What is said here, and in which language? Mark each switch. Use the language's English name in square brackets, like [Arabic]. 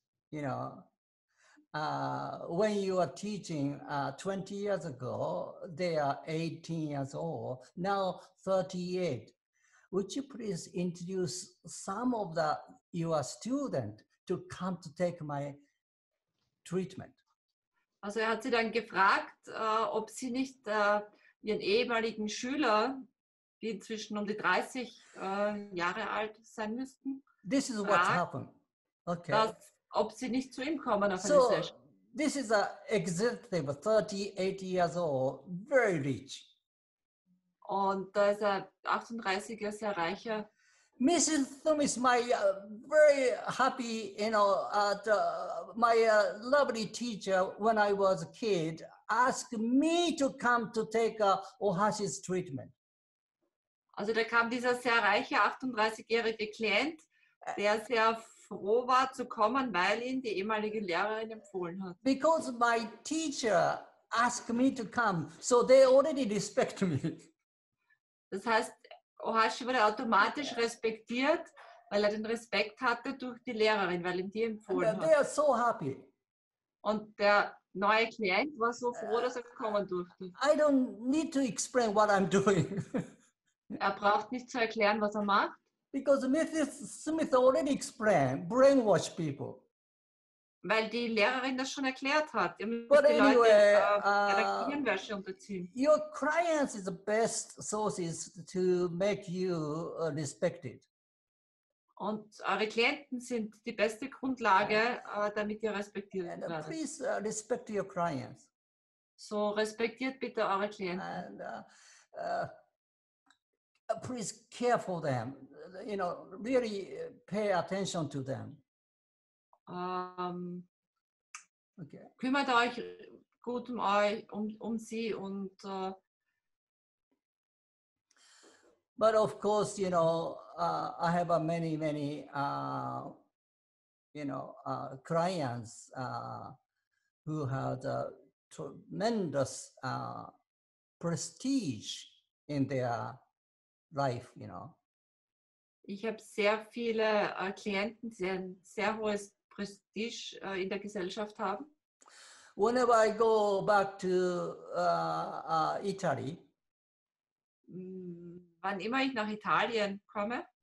[English] You know, when you are teaching 20 years ago, they are 18 years old, now 38. Would you please introduce some of the your student to come to take my treatment? [German] Also hat sie dann gefragt, ob sie nicht ihren ehemaligen Schüler, die inzwischen um die 30 Jahre alt sein müssten. [English] This is what happened. Okay. [German] Ob sie nicht zu ihm kommen auf so, eine Session. [English] This is a executive, 38 years old, very rich. [German] Und da ist er 38 Jahre sehr reicher. [English] Mrs. Thum is my very happy, you know, my lovely teacher when I was a kid. Ask me to come to take OHASHI's treatment. [German] Also da kam dieser sehr reiche 38-jährige Klient, der sehr froh war zu kommen, weil ihn die ehemalige Lehrerin empfohlen hat. [English] Because my teacher asked me to come, so they already respect me. [German] Das heißt, OHASHI wurde automatisch respektiert, weil er den Respekt hatte durch die Lehrerin, weil ihn die empfohlen hat. [English] They are so happy. [German] Und der neue Klient war so froh, dass er kommen durfte. [English] I don't need to explain what I'm doing. [German] Er braucht nicht zu erklären, was er macht. [English] Because Mrs. Smith already explained, brainwash people. [German] Weil die Lehrerin das schon erklärt hat. [English] But anyway, [German] die Leute, unterziehen. [English] Your clients is the best sources to make you respected. [German] Und eure Klienten sind die beste Grundlage, damit ihr respektiert werdet. [English] And please respect your clients. [German] So respektiert bitte eure Klienten. [English] And, please care for them. You know, really pay attention to them. Okay. [German] Kümmert euch gut um euch, um sie und. [English] But of course, you know, I have a many, many, you know, clients who had a tremendous prestige in their life, you know. [German] Ich habe sehr viele Klienten, die ein sehr hohes Prestige in der Gesellschaft haben. [English] Whenever I go back to Italy, [German] wann immer ich nach Italien komme,